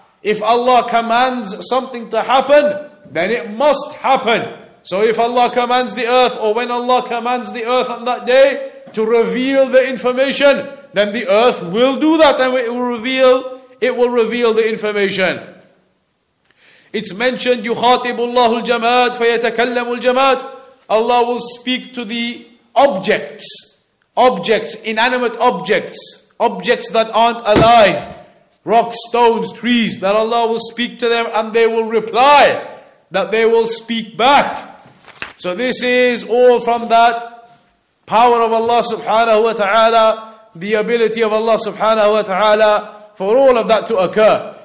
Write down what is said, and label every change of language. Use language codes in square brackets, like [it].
[en] If Allah commands something to happen, then it must happen. So if Allah commands the earth, or when Allah commands the earth on that day to reveal the information, then the earth will do that, and it will reveal the information. It's mentioned, [ar] يُخَاطِبُ اللَّهُ الْجَمَادِ فَيَتَكَلَّمُ الْجَمَادِ. [en] Allah will speak to the objects. Objects, inanimate objects. Objects that aren't alive. Rocks, stones, trees. That Allah will speak to them and they will reply. That they will speak back. So this is all from that power of Allah subhanahu wa ta'ala, the ability of Allah subhanahu wa ta'ala for all of that to occur.